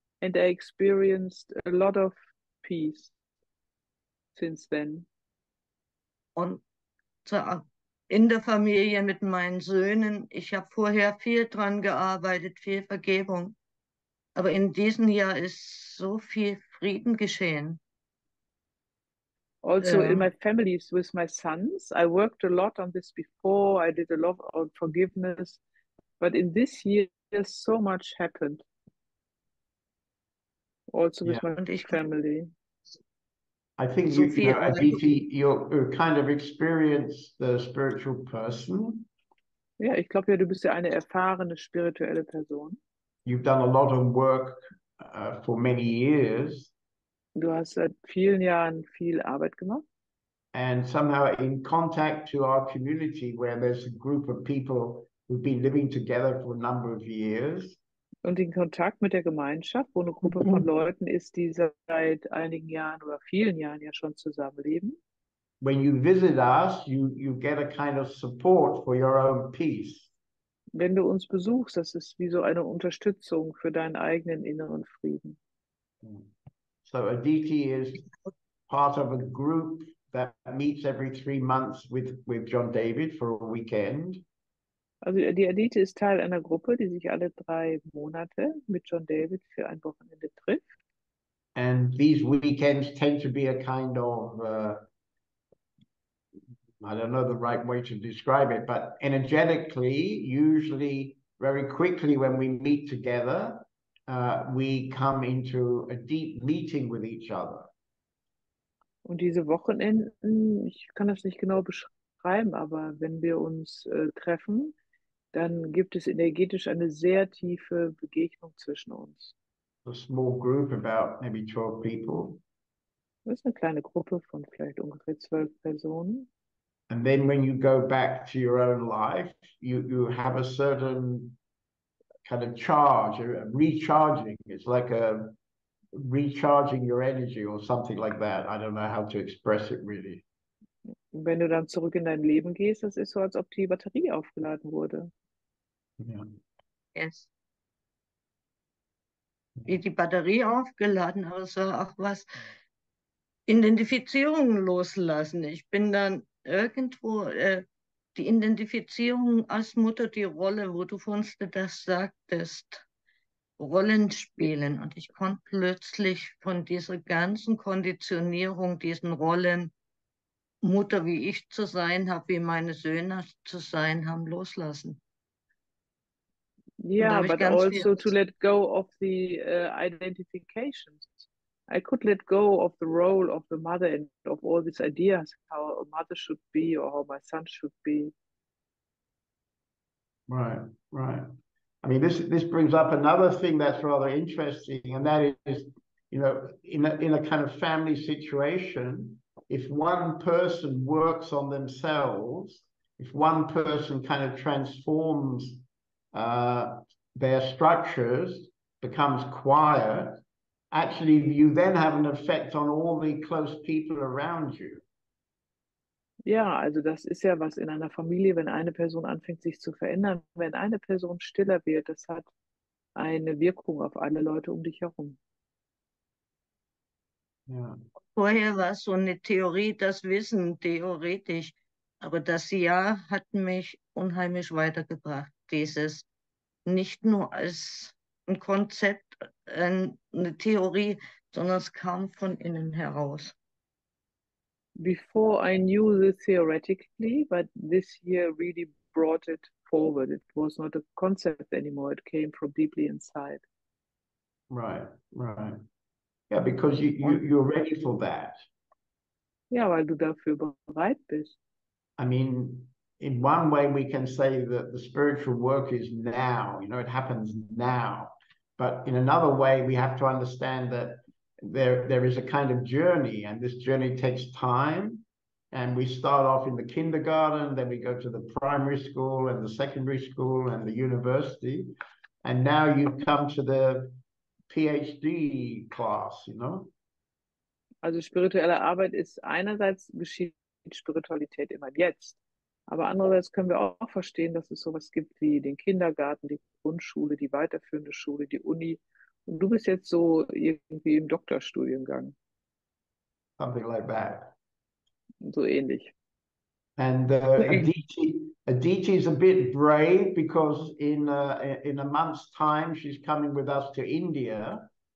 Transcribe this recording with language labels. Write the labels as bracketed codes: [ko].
[en] And I experienced a lot of peace since then. [de] Und in der Familie mit meinen Söhnen, ich habe vorher viel dran gearbeitet, viel Vergebung. Aber in diesem Jahr ist so viel Frieden geschehen. [en] Also in my families with my sons, I worked a lot on this before. I did a lot on forgiveness. But in this year, so much happened. Also with my family. I think you know, Aditi, you're kind of experienced the spiritual person. [de] Yeah, ich glaube ja, du bist ja eine erfahrene spirituelle Person. [en] You've done a lot of work for many years. [de] Du hast seit vielen Jahren viel Arbeit gemacht. [en] And somehow in contact to our community, where there's a group of people who've been living together for a number of years. [de] Und in Kontakt mit der Gemeinschaft, wo eine Gruppe von Leuten ist, die seit einigen Jahren oder vielen Jahren ja schon zusammenleben. [en] When you visit us, you get a kind of support for your own peace. [de] Wenn du uns besuchst, das ist wie so eine Unterstützung für deinen eigenen inneren Frieden. [en] So Aditi is part of a group that meets every 3 months with John David for a weekend. [de] Also die Aditi ist Teil einer Gruppe, die sich alle 3 Monate mit John David für ein Wochenende trifft. [en] And these weekends tend to be a kind of, I don't know the right way to describe it, but energetically, usually very quickly when we meet together, we come into a deep meeting with each other. [de] Und diese Wochenenden, ich kann das nicht genau beschreiben, aber wenn wir uns treffen, dann gibt es energetisch eine sehr tiefe Begegnung zwischen uns. [en] A small group, about maybe 12 people. [de] Das ist eine kleine Gruppe von vielleicht ungefähr 12 Personen. [en] And then when you go back to your own life, you have a certain kind of charge, a recharging. It's like a recharging your energy or something like that. I don't know how to express it really. [de] Wenn du dann zurück in dein Leben gehst, das ist so, als ob die Batterie aufgeladen wurde. [en] Yeah. Yes. [de] Wie die Batterie aufgeladen, aber so auch was Identifizierung loslassen. Ich bin dann irgendwo die Identifizierung als Mutter, die Rolle, wo du vorhin das sagtest, Rollen spielen. Und ich konnte plötzlich von dieser ganzen Konditionierung, diesen Rollen, Mutter wie ich zu sein habe, wie meine Söhne zu sein haben, loslassen. [en] Ja, yeah, but also to let go of the identifications. I could let go of the role of the mother and of all these ideas, how a mother should be or how my son should be. Right, right. I mean, this brings up another thing that's rather interesting, and that is, you know, in a kind of family situation, if one person works on themselves, if one person kind of transforms their structures, becomes quiet, actually you then have an effect on all the close people around you. [de] Ja, also das ist ja was in einer Familie, wenn eine Person anfängt, sich zu verändern, wenn eine Person stiller wird, das hat eine Wirkung auf alle Leute um dich herum. Ja. Vorher war es so eine Theorie, das Wissen, theoretisch, aber das Jahr hat mich unheimlich weitergebracht, dieses nicht nur als ein Konzept, eine Theorie, sondern es kam von innen heraus. [en] Before I knew this theoretically, but this year really brought it forward. It was not a concept anymore. It came from deeply inside. Right, right. Yeah, because you're ready for that. [de] Yeah, weil du dafür bereit bist. [en] I mean, in one way we can say that the spiritual work is now, you know, it happens now. But in another way, we have to understand that there is a kind of journey, and this journey takes time. And we start off in the kindergarten, then we go to the primary school and the secondary school and the university. And now you've come to the PhD class, you know? [de] Also spirituelle Arbeit ist einerseits geschieht Spiritualität immer jetzt. Aber andererseits können wir auch verstehen, dass es sowas gibt wie den Kindergarten, die Grundschule, die weiterführende Schule, die Uni. Und du bist jetzt so irgendwie im Doktorstudiengang. [en] Something like that. [de] So ähnlich. [en] And Aditi is a bit brave because in a month's time she's coming with us to India.